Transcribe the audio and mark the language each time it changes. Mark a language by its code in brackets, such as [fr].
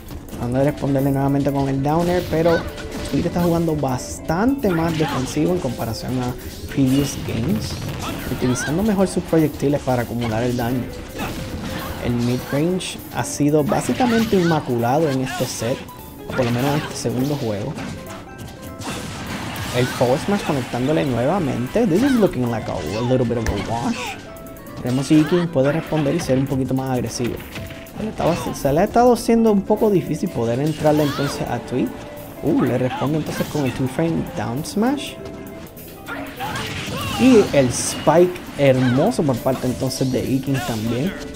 [es] Tratando de responderle nuevamente con el downer, pero Squid está jugando bastante más defensivo en comparación a [en] previous games, [es] utilizando mejor sus proyectiles para acumular el daño. El midrange ha sido básicamente inmaculado en este set, o por lo menos en este segundo juego. El forward smash conectándole nuevamente. [en] This is looking like a little bit of a wash. [es] Veremos si Ikin puede responder y ser un poquito más agresivo. Se le ha estado siendo un poco difícil poder entrarle entonces a Tweet. Le responde entonces con el 2-frame down smash. Y el spike hermoso por parte entonces de Ikin también.